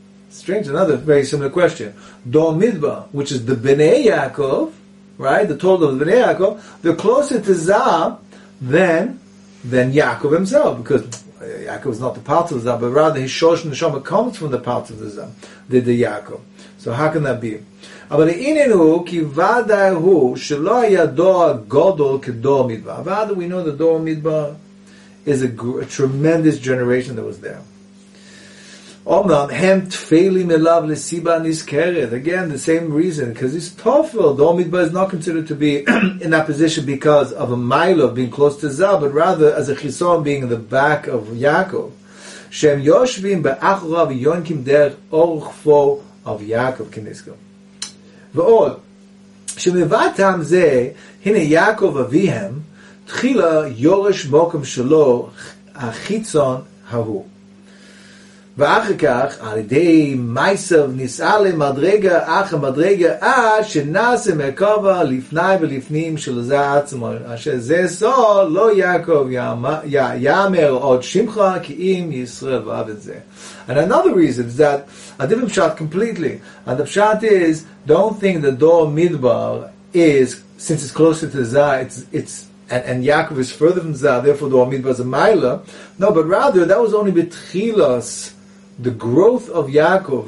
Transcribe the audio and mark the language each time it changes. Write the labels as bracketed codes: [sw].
[en] Strange, another very similar question. Dor Midbar, which is the Bnei Yaakov, right, the total of the Bnei Yaakov, they're closer to Zah than Yaakov himself, because Yaakov is not the Paltzov Zah, but rather his Shosh Neshama comes from the Paltzov Zah, the Yaakov. So how can that be? [he] אבל הנה הוא, כי ודאי הוא, שלא היה דור גודל כדור מדבר. [en] ודאי, we know the door midbar is a tremendous generation that was there. [he] אמנם, הם תפילים אליו לסיבה נזכרת. [en] Again, the same reason, because it's tofel. Dor midbar is not considered to be in that position because of a milo being close to Zah, but rather as a chisom being in the back of Yaakov. [he] שהם יושבים באחורה ויונקים דרך אורחפו of Yaakov כנזכר. ועוד, שמבטם זה, הנה יעקב אביהם, תחילה יורש מוקם שלו, החיצון ההוא. ואחר כך, על ידי מייסב נישא למדרגה, אך המדרגה, עד שנעשה מרכבה לפני ולפנים של זה עצמו, אשר זה סו, לא יעקב יאמר עוד שמחה, כי אם ישראל ואהב את זה. [en] And another reason is that a different pshat completely. And the pshat is, don't think the Dor Midbar is, since it's closer to Zah, it's and Yaakov is further from Zah, therefore Dor Midbar is a Maila. No, but rather, that was only betchilas, the growth of Yaakov.